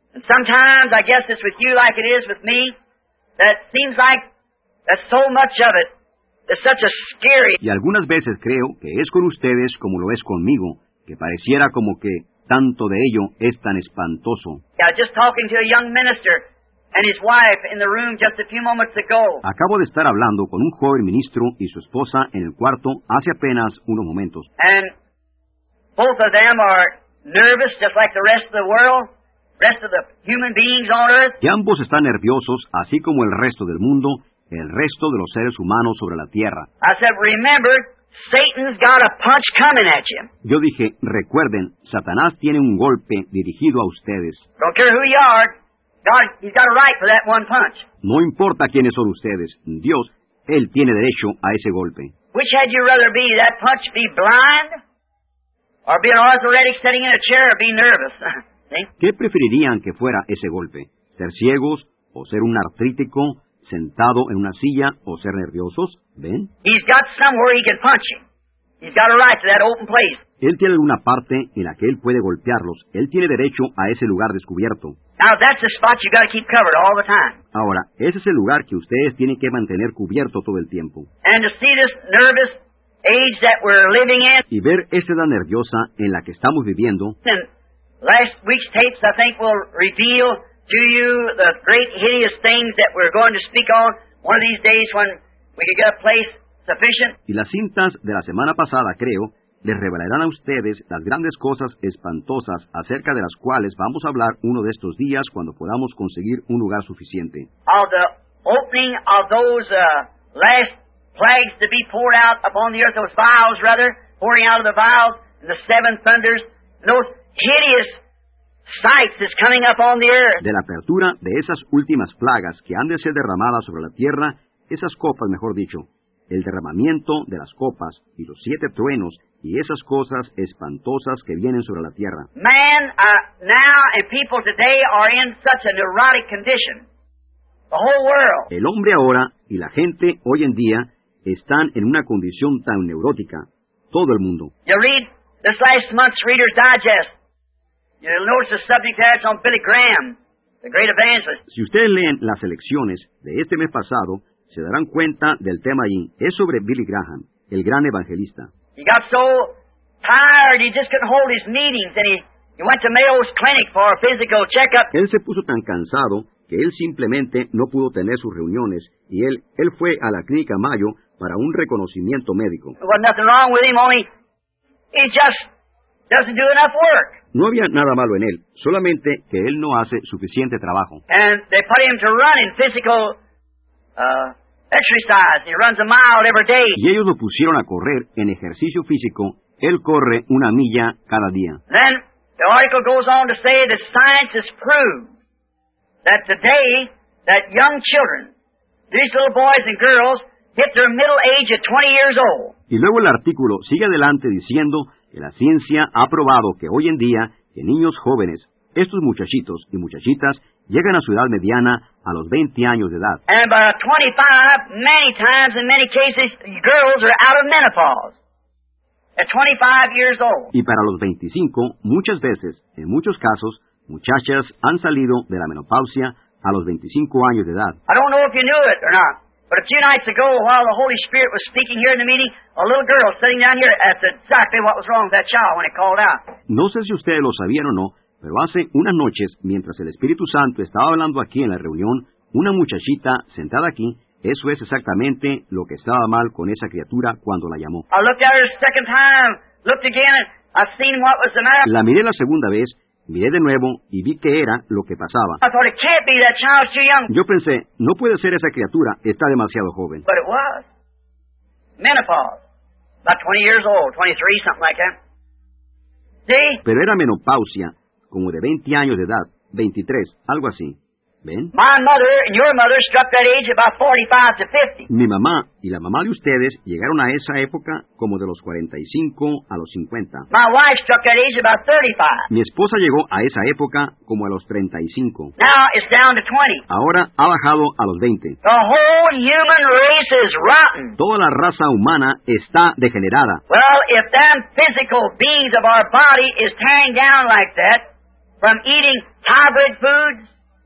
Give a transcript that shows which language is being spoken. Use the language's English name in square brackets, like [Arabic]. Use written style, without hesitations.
[English] And sometimes, I guess it's with you like it is with me, that seems like that so much of it is such a scary. [Spanish] Y algunas veces creo que es con ustedes como lo es conmigo, que pareciera como que tanto de ello es tan espantoso. [English] Yeah, just talking to a young minister and his wife in the room just a few moments ago. [Spanish] Acabo de estar hablando con un joven ministro y su esposa en el cuarto hace apenas unos momentos. [English] And both of them are nervous just like the rest of the world, rest of the human beings on earth. [Spanish] Y ambos están nerviosos así como el resto del mundo, el resto de los seres humanos sobre la tierra. [English] I said, remember, Satan's got a punch coming at you. [Spanish] Yo dije, recuerden, Satanás tiene un golpe dirigido a ustedes. [English] Don't care who you are. God, he's got a right for that one punch. [Spanish] No importa quiénes son ustedes, Dios, Él tiene derecho a ese golpe. [English] Which had you rather be, that punch be blind, or be an arthritic sitting in a chair, or be nervous? [Spanish] ¿Sí? ¿Qué preferirían que fuera ese golpe? ¿Ser ciegos, o ser un artrítico, sentado en una silla, o ser nerviosos? ¿Ven? [English] He's got somewhere he can punch him. He's got a right to that open place. [Spanish] Él tiene alguna parte en la que él puede golpearlos. Él tiene derecho a ese lugar descubierto. [English] Now, that's the spot you've got to keep covered all the time. [Spanish] Ahora, ese es el lugar que ustedes tienen que mantener cubierto todo el tiempo. [English] And to see this nervous age that we're living in. [Spanish] Y ver esta edad nerviosa en la que estamos viviendo. [English] And last week's tapes, I think, will reveal to you the great hideous things that we're going to speak on one of these days when we can get a place sufficient. [Spanish] Y las cintas de la semana pasada, creo, les revelarán a ustedes las grandes cosas espantosas acerca de las cuales vamos a hablar uno de estos días cuando podamos conseguir un lugar suficiente. [English] Of the opening of those last plagues to be poured out upon the earth, those vials rather, pouring out of the vials, and the seven thunders, those hideous sights that's coming up on the earth. [Spanish] De la apertura de esas últimas plagas que han de ser derramadas sobre la tierra, esas copas, mejor dicho, el derramamiento de las copas y los siete truenos y esas cosas espantosas que vienen sobre la tierra. [English] Man, now and people today are in such a neurotic condition. The whole world. [Spanish] El hombre ahora y la gente hoy en día están en una condición tan neurótica. Todo el mundo. [English] You read this last month's Reader's Digest. You'll notice the subject there on Billy Graham, the great evangelist. [Spanish] Si ustedes leen las elecciones de este mes pasado, se darán cuenta del tema allí. Es sobre Billy Graham, el gran evangelista. [English] He got so tired he just couldn't hold his meetings, and he went to Mayo's Clinic for a physical checkup. [Spanish] Él se puso tan cansado que él simplemente no pudo tener sus reuniones, y él fue a la clínica Mayo para un reconocimiento médico. [English] There was nothing wrong with him, only he just doesn't do enough work. [Spanish] No había nada malo en él, solamente que él no hace suficiente trabajo. [English] And they put him to run in physical exercise. He runs a mile every day. [Spanish] Y ellos lo pusieron a correr en ejercicio físico. Él corre una milla cada día. [English] Then the article goes on to say that science has proved that today that young children, these little boys and girls, hit their middle age at 20 years old. [Spanish] Y luego el artículo sigue adelante diciendo que la ciencia ha probado que hoy en día que niños jóvenes, estos muchachitos y muchachitas, llegan a su edad mediana a los 20 años de edad. [English] And by 25, many times, in many cases, girls are out of menopause at 25 years old. [Spanish] Y para los 25, muchas veces, en muchos casos, muchachas han salido de la menopausia a los 25 años de edad. [English] I don't know if you knew it or not. But a few nights ago, while the Holy Spirit was speaking here in the meeting, a little girl sitting down here asked exactly what was wrong with that child when it called out. [Spanish] No sé si ustedes lo sabían o no, pero hace unas noches, mientras el Espíritu Santo estaba hablando aquí en la reunión, una muchachita sentada aquí, eso es exactamente lo que estaba mal con esa criatura cuando la llamó. [English] I looked at her a second time, looked again, and I seen what was the matter. [Spanish] La miré la segunda vez, miré de nuevo y vi qué era lo que pasaba. [English] I thought, it can't be that child, too young. [Spanish] Yo pensé, no puede ser esa criatura, está demasiado joven. [English] But it was. Menopause. About 20 years old, 23, something like that. See? [Spanish] Pero era menopausia, como de 20 años de edad, 23, algo así. ¿Ven? [English] My mother and your mother struck that age about 45 to 50. [Spanish] Mi mamá y la mamá de ustedes llegaron a esa época como de los 45 a los 50. [English] My wife struck that age about 35. [Spanish] Mi esposa llegó a esa época como a los 35. [English] Now it's down to 20. [Spanish] Ahora ha bajado a los 20. [English] The whole human race is rotten. [Spanish] Toda la raza humana está degenerada. [English] Well, if them physical beings of our body is tearing down like that from eating hybrid foods,